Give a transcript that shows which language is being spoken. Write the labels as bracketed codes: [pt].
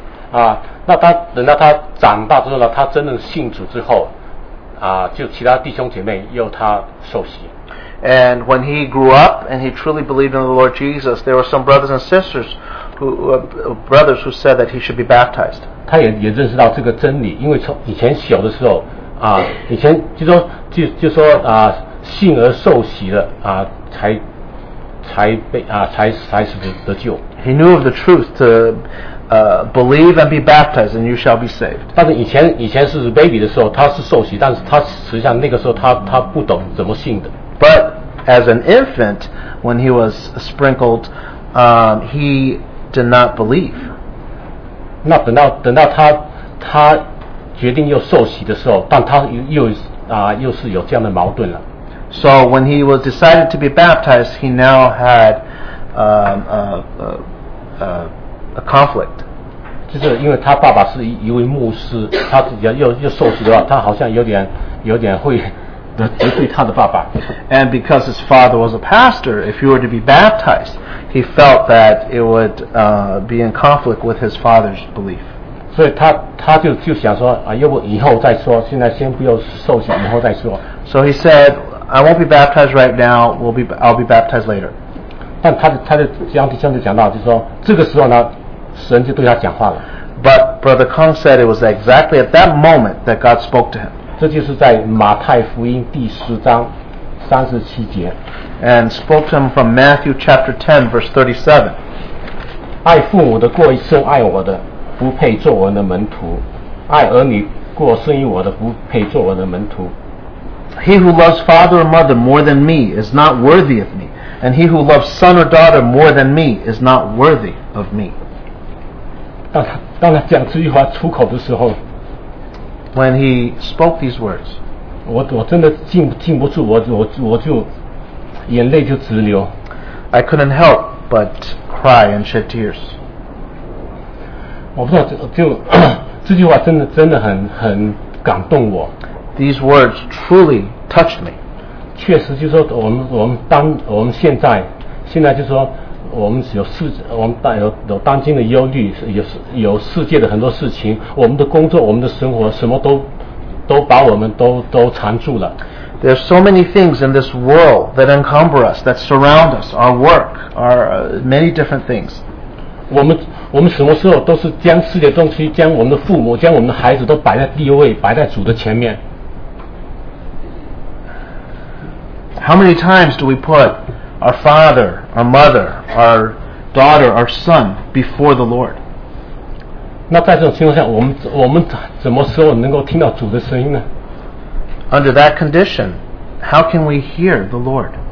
[zh] 啊，那他等到他长大之后呢，他真正信主之后，啊，就其他弟兄姐妹又他受洗。 [en] And when he grew up and he truly believed in the Lord Jesus, there were some brothers and sisters who said that he should be baptized. [zh] 他也认识到这个真理，因为从以前小的时候。啊，以前就说啊，信而受洗了啊，才是得救。 [en] He knew of the truth to believe and be baptized, and you shall be saved. [zh] 但是以前是 baby 的时候，他是受洗，但是他实际上那个时候他不懂怎么信的。 [en] But as an infant, when he was sprinkled, he did not believe. [zh] 那等到他。决定又受洗的时候，但他又是有这样的矛盾了。 [en] So when he was decided to be baptized, he now had a conflict. [zh] 就是因为他爸爸是一位牧师，他自己又受洗的话，他好像有点会得罪他的爸爸。 [en] And because his father was a pastor, if you were to be baptized, he felt that it would be in conflict with his father's belief. [zh] 所以他就想说啊，要不以后再说，现在先不要受洗，以后再说。 [en] So he said, I won't be baptized right now. I'll be baptized later. [zh] 但他的江弟兄就讲到，就说这个时候呢，神就对他讲话了。 [en] But Brother Kong said it was exactly at that moment that God spoke to him. [zh] 这就是在马太福音第十章三十七节。 [en] And spoke to him from Matthew chapter 10 verse 37. [zh] 爱父母的过一生爱我的。不配做我的门徒，爱儿女过胜于我的不配做我的门徒。 [en] He who loves father or mother more than me is not worthy of me, and he who loves son or daughter more than me is not worthy of me. [zh] 当他讲这句话出口的时候 [en] ，When he spoke these words， [zh] 我真的禁不住，我就眼泪就直流。 [en] I couldn't help but cry and shed tears. [zh] 我不知道，就这句话真的很感动我。 [en] These words truly touched me. [zh] 确实就是说我们现在就是说我们有当今的忧虑，有世界的很多事情，我们的工作，我们的生活，什么都把我们都缠住了。 [en] There are so many things in this world that encumber us, that surround us, our work, our many different things. [zh] 我们什么时候都是将世界的东西，将我们的父母，将我们的孩子都摆在第一位，摆在主的前面。 [en] How many times do we put our father, our mother, our daughter, our son before the Lord? [zh] 那在这种情况下，我们怎么时候能够听到主的声音呢？ [en] Under that condition, how can we hear the Lord?